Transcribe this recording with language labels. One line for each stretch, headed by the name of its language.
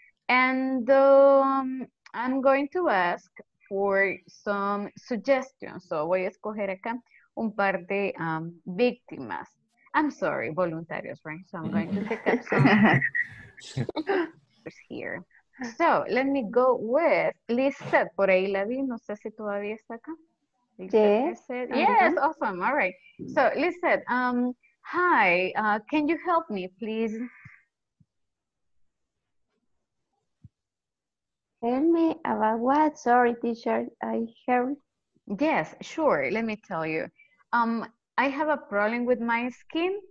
English: And I'm going to ask for some suggestions.
Spanish: So voy a escoger acá un par de víctimas.
English: I'm sorry,
Spanish: voluntarios,
English: right? So I'm going to pick up some here. So let me go with Lizeth.
Spanish: Por ahí la vi, no sé si todavía está acá.
English: Yes, awesome, all right. So Lizeth, hi, can you help me, please? Tell me about what? Sorry, teacher, I heard. Yes, sure, let me tell you. I have a problem with my skin.